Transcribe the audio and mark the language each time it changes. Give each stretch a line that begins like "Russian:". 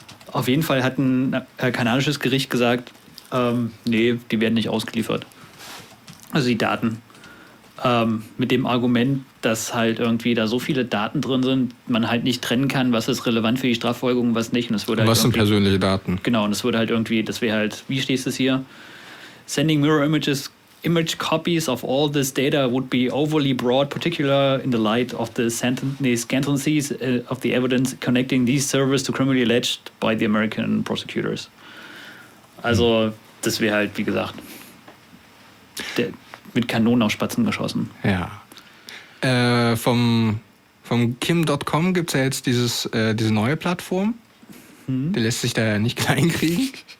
German: Auf jeden Fall hat ein kanadisches Gericht gesagt, nee, die werden nicht ausgeliefert. Also die Daten. Mit dem Argument, dass halt irgendwie da so viele Daten drin sind, man halt nicht trennen kann, was ist relevant für die Strafverfolgung und was nicht. Und würde halt was sind persönliche Daten? Genau, und es würde halt irgendwie, das wäre halt, wie stehst du es hier?
English: Sending Mirror Images image copies of all this data would be overly broad, particularly in the light of the scantiness of the evidence connecting these servers to criminally alleged by the American prosecutors.
German: Also, das wäre halt, wie gesagt, mit Kanonen auf Spatzen geschossen. Ja. Vom Kim.com gibt es ja jetzt diese neue Plattform. Der lässt sich da ja nicht kleinkriegen.